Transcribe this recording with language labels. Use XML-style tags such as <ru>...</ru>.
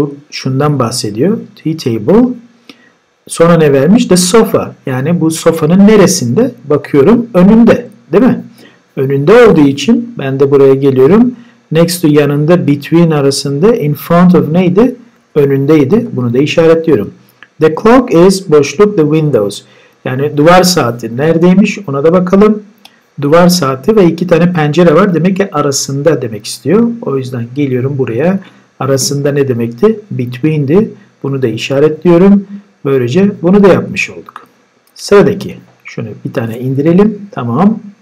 <tr>Şundan bahsediyor. Tea table. Sonra ne vermiş? The sofa. Yani bu sofanın neresinde? Bakıyorum önünde. Değil mi? Önünde olduğu için ben de buraya geliyorum. Next to yanında, between arasında, in front of neydi? Önündeydi. Bunu da işaretliyorum.</tr> <en>The clock is, boşluk, the windows.</en> <tr>Yani duvar saati neredeymiş? Ona da bakalım. Duvar saati ve iki tane pencere var. Demek ki arasında demek istiyor. O yüzden geliyorum buraya. Arasında ne demekti? Between'di. Bunu da işaretliyorum. Böylece bunu da yapmış olduk. Sıradaki. Şunu bir tane indirelim. Tamam.</tr>